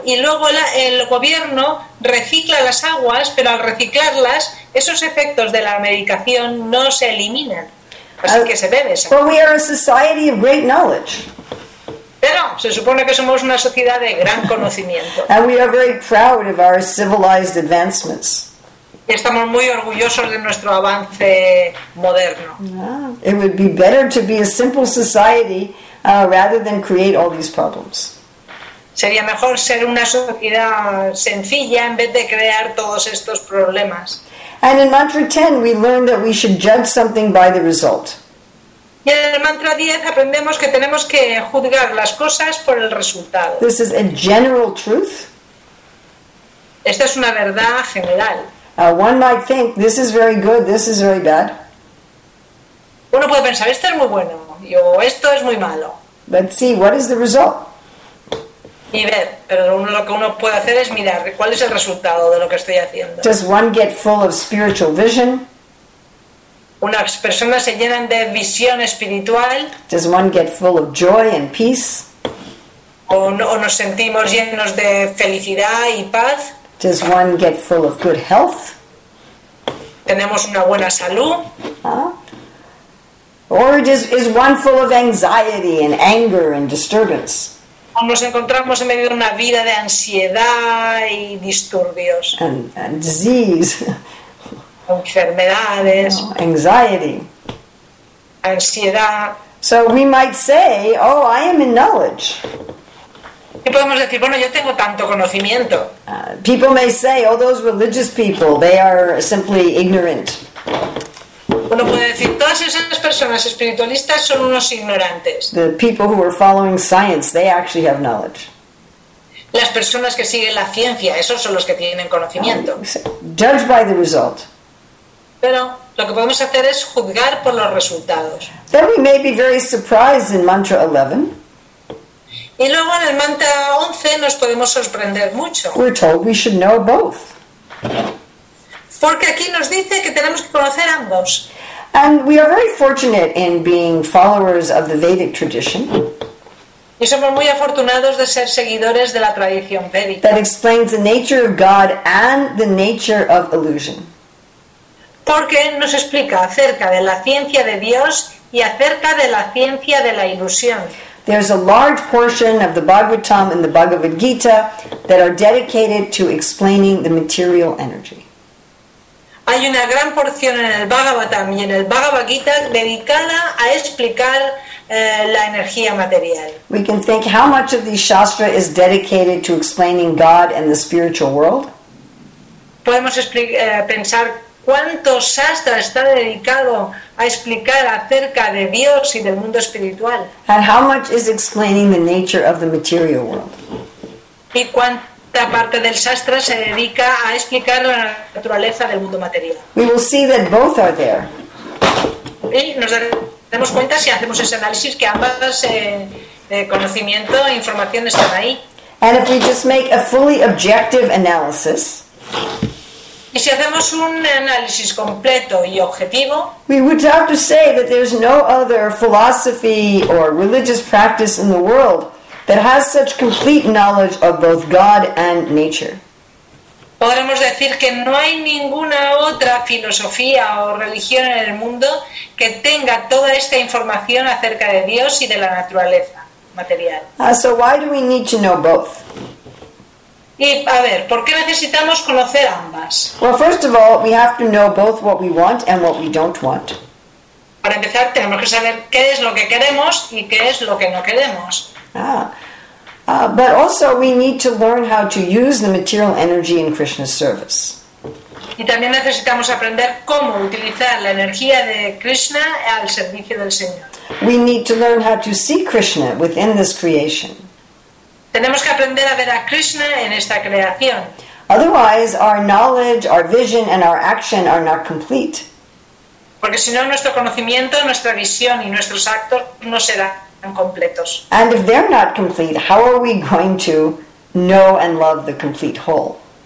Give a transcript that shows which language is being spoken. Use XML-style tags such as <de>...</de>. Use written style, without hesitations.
<es>Y luego el gobierno recicla las aguas, pero al reciclarlas, esos efectos de la medicación no se eliminan. Así que se bebe.</es> <en>But we are a society of great knowledge.</en> <es>Pero se supone que somos una sociedad de gran conocimiento.</es> <en>And we are very proud of our civilized advancements.</en> <es>Y estamos muy orgullosos de nuestro avance moderno.</es> <en>Yeah. It would be better to be a simple society rather than create all these problems.</en> <es>Sería mejor ser una sociedad sencilla en vez de crear todos estos problemas.</es> <en>And in Mantra 10 we learn that we should judge something by the result.</en> <es>Y en el mantra 10 aprendemos que tenemos que juzgar las cosas por el resultado.</es> <en>This is a general truth.</en> <es>Esta es una verdad general.</es> <en>One might think this is very good, this is very bad.</en> <es>Uno puede pensar esto es muy bueno, o esto es muy malo.</es> <en>But see, what is the result?</en> <es>Y y ver, pero uno, lo que uno puede hacer es mirar cuál es el resultado de lo que estoy haciendo.</es> <en>Does one get full of spiritual vision?</en> <es>Unas personas se llenan de visión espiritual.</es> <en>Does one get full of joy and peace?</en> <es>O, no, o nos sentimos llenos de felicidad y paz.</es> <en>Does one get full of good health?</en> <es>Tenemos una buena salud.</es> <en>Or is one full of anxiety and anger and disturbance?</en> <es>O nos encontramos en medio de una vida de ansiedad y disturbios.</es> <en>And disease.</en> <es>Enfermedades.</es> <en>No, anxiety.</en> <es>Ansiedad.</es> <en>So we might say, oh, I am in knowledge.</en> <es>¿Qué podemos decir? Bueno, yo tengo tanto conocimiento.</es> <en>People may say, oh, those religious people, they are simply ignorant.</en> <es>Uno puede decir, todas esas personas espiritualistas son unos ignorantes.</es> <en>The people who are following science, they actually have knowledge.</en> <es>Las personas que siguen la ciencia, esos son los que tienen conocimiento.</es> <en>Judge by the result.</en> <es>Pero lo que podemos hacer es juzgar por los resultados.</es> <en>Then we may be very surprised in mantra 11.</en> <es>Y luego en el mantra 11 nos podemos sorprender mucho.</es> <en>We're told we should know both.</en> <es>Porque aquí nos dice que tenemos que conocer ambos.</es> <en>And we are very fortunate in being followers of the Vedic tradition.</en> <es>Y somos muy afortunados de ser seguidores de la tradición védica.</es> <en>That explains the nature of God and the nature of illusion.</en> <es>Porque nos explica acerca de la ciencia de Dios y acerca de la ciencia de la ilusión.</es> <en>There's a large portion of the Bhagavatam and the Bhagavad Gita that are dedicated to explaining the material energy.</en> <es>Hay una gran porción en el Bhagavatam y en el Bhagavad Gita dedicada a explicar la energía material.</es> <en>We can think how much of the Shastra is dedicated to explaining God and the spiritual world.</en> <es>Podemos pensar cuánto Shastra está dedicado a explicar acerca de Dios y del mundo espiritual.</es> <en>And how much is explaining the nature of the material world.</en> <es>Y esta parte del Shastra se dedica a explicar la naturaleza del mundo material.</es> <en>We will see that both are there.</en> <es>Y nos daremos cuenta si hacemos ese análisis que ambas conocimiento e información están ahí.</es> <en>And if we just make a fully objective analysis,</en> <es>y si hacemos un análisis completo y objetivo,</es> <en>we would have to say that there's no other philosophy or religious practice in the world that has such complete knowledge of both God and nature.</en> <es>Podremos decir que no hay ninguna otra filosofía o religión en el mundo que tenga toda esta información acerca de Dios y de la naturaleza material.</es> <en>So why do we need to know both?</en> <es>Y a ver, ¿por qué necesitamos conocer ambas?</es> <en>Well, first of all, we have to know both what we want and what we don't want.</en> <es>Para empezar, tenemos que saber qué es lo que queremos y qué es lo que no queremos.</es> <en>But also we need to learn how to use the material energy in Krishna's service.</en> <es>Y también necesitamos aprender cómo utilizar la energía de Krishna al servicio del Señor.</es> <en>We need to learn how to see Krishna within this creation.</en> <es>Tenemos que aprender a ver a Krishna en esta creación.</es> <en>Otherwise, our knowledge, our vision, and our action are not complete.</en> <es>Porque si no, nuestro conocimiento, nuestra visión y nuestros actos no serán.</es> <en>And if they're not complete, how are we going to know and love the complete whole?</en>